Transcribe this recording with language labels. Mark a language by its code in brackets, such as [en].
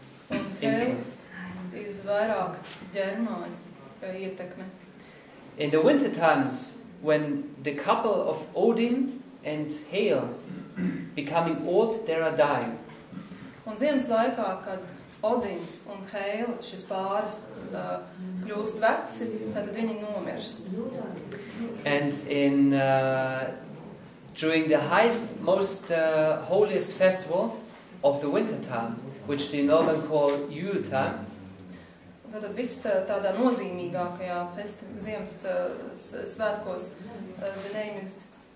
[lv] Un Hale is vairāk ģermāņu ietekme. [en] In the winter times, when the couple of Odin and Hail becoming old, they are dying. [lv] Un ziemas laikā, kad Odins un Hail, šis pāris, kļūst veci, tad viņi nomirst. [en] And in during the highest, most holiest festival of the winter time, which the Northern call Yule time, [lv] tad viss tādā nozīmīgākajā ziemas svētkos [en] the name is